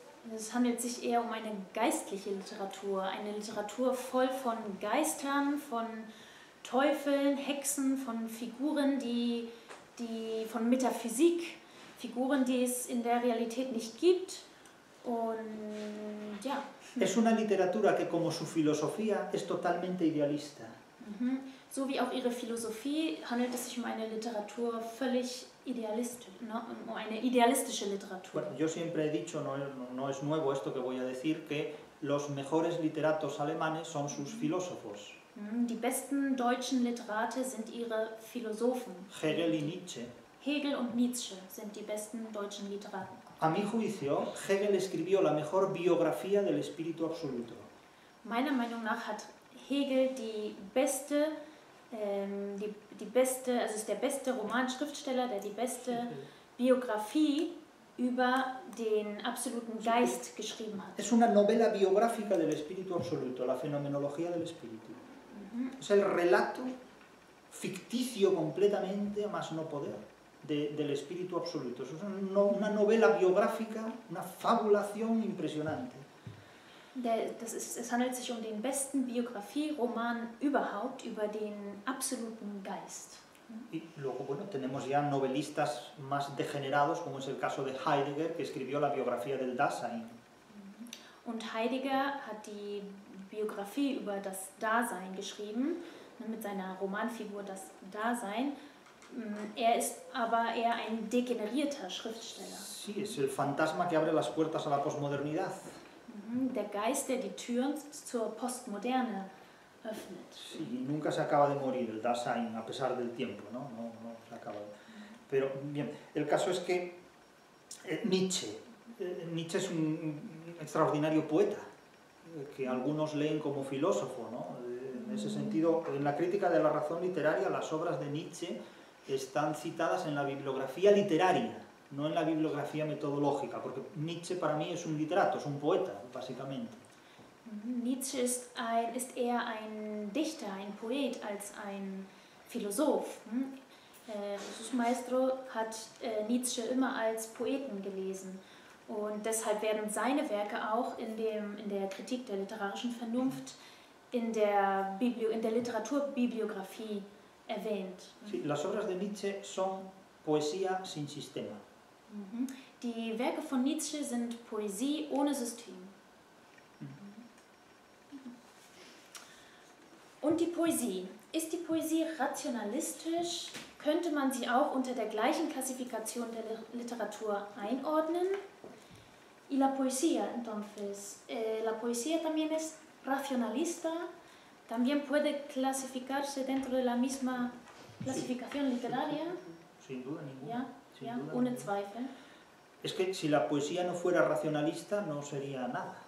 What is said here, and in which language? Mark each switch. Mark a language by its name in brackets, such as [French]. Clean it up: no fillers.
[German] Es handelt sich eher um eine geistliche Literatur, eine Literatur voll von Geistern, von Teufeln, Hexen, von Figuren, die von Metaphysik, Figuren, die es in der Realität nicht gibt. Und ja. [Spanish] Es una literatura que como su filosofía es totalmente idealista. [German] So wie auch ihre Philosophie handelt es sich um eine Literatur völlig idealistisch, ¿no? Um eine idealistische Literatur. [Spanish] Bueno, yo siempre he dicho, no es nuevo esto que voy a decir, que los mejores literatos alemanes son sus filósofos. [German] Die besten deutschen Literate sind ihre Philosophen. Hegel und Nietzsche. Hegel und Nietzsche sind die besten deutschen Literaten. [Spanish] A mi juicio, Hegel escribió la mejor biografía del espíritu absoluto. [German] Meiner Meinung nach hat Hegel der beste Romanschriftsteller, der die beste Biografie über den absoluten Geist geschrieben hat. [Spanish] Es una novela biográfica del espíritu absoluto, la fenomenología del espíritu. Es el relato ficticio completamente, más no poder, del espíritu absoluto. Es una novela biográfica, una fabulación impresionante. [German] Es handelt sich um den besten Biografie-Roman überhaupt, über den absoluten Geist. [Spanish] Y luego, bueno, tenemos ya novelistas más degenerados, como es el caso de Heidegger, que escribió la biografía del Dasein. [German] Und Heidegger hat die Biografie über das Dasein geschrieben, mit seiner Romanfigur das Dasein. Er ist aber eher ein degenerierter Schriftsteller. [Spanish] Sí, es el fantasma que abre las puertas a la posmodernidad. [German] Der Geist, der die Türen zur Postmoderne öffnet. [Spanish] Sí, nunca se acaba de morir el Dasein, a pesar del tiempo, ¿no? No se acaba. Pero bien, el caso es que Nietzsche es un extraordinario poeta que algunos leen como filósofo, ¿no? En ese sentido, en la crítica de la razón literaria, las obras de Nietzsche están citadas en la bibliografía literaria, no en la bibliografía metodológica, porque Nietzsche para mí es un literato, es un poeta, básicamente. [German] Nietzsche ist eher ein Dichter, ein Poet, als ein Philosoph. Jesus Maestro hat Nietzsche immer als Poeten gelesen. Und deshalb werden seine Werke auch in der Kritik der literarischen Vernunft in der Literaturbibliografie erwähnt. [Spanish] Sí, las obras de Nietzsche son poesía sin sistema. [German] Die Werke von Nietzsche sind Poesie ohne System. Und die Poesie. Ist die Poesie rationalistisch? Könnte man sie auch unter der gleichen Klassifikation der Literatur einordnen? [Spanish] Y la poesía, entonces. La poesía también es racionalista. También puede clasificarse dentro de la misma clasificación literaria. Sin duda ninguna. [German] Ya, ya, ohne Zweifel. [Spanish] Es que si la poesía no fuera racionalista, no sería nada.